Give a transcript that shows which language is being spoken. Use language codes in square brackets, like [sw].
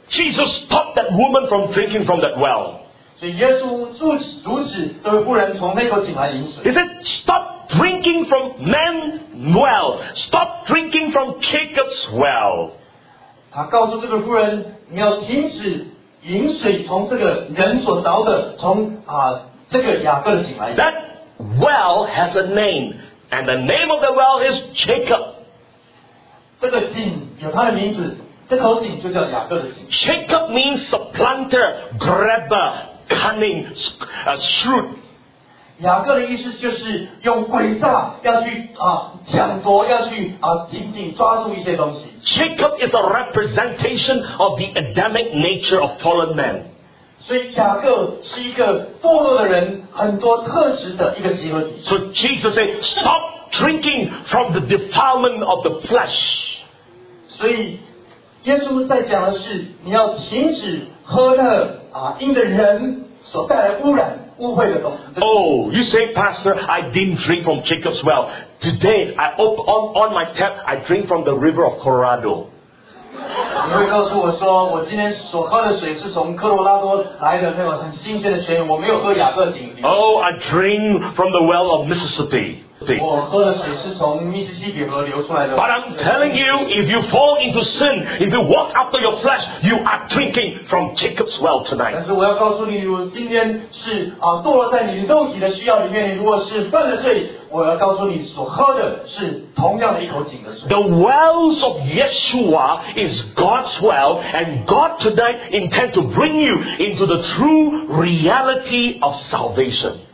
[en] Jesus stopped that woman from drinking from that well. [zh] 所以耶稣阻止这位妇人从那口井来饮水。 [en] He said, stop drinking from man's well. Stop drinking from Jacob's well. [zh] 他告诉这个妇人你要停止饮水从这个人所凿的从这个雅各的井来。 [en] That well has a name, and the name of the well is Jacob. [zh] 这个井有它的名字，这口井就叫雅各的井。 [en] Jacob means supplanter, grabber, cunning, shrewd. [zh] 雅各的意思就是用诡诈要去抢夺，要去紧紧抓住一些东西。 [en] Jacob is a representation of the Adamic nature of fallen man. [zh] 所以雅各是一个堕落的人很多特质的一个集合体。 [en] So Jesus said, "Stop drinking from the defilement of the flesh." [zh] 所以耶稣在讲的是，你要停止喝因着人所带来污染污秽的东西。 [en] Oh, you say, Pastor, I didn't drink from Jacob's well. Today, I on my tap, I drink from the river of Colorado. [zh] 你会告诉我说，我今天所喝的水是从科罗拉多来的那个很新鲜的泉源，我没有喝雅各井。 [en] Oh, I drink from the well of Mississippi. Mississippi. [zh] 我喝的水是从密西西比河流出来的。 [en] But I'm telling you, if you fall into sin, if you walk after your flesh, you are drinking from Jacob's well tonight. [zh] 但是我要告诉你，如果今天是堕落在你肉体的需要里面，如果是犯了罪，我要告诉你所喝的是同样的一口井的水。 [en] The wells of Yeshua is God's well, and God tonight intends to bring you into the true reality of salvation.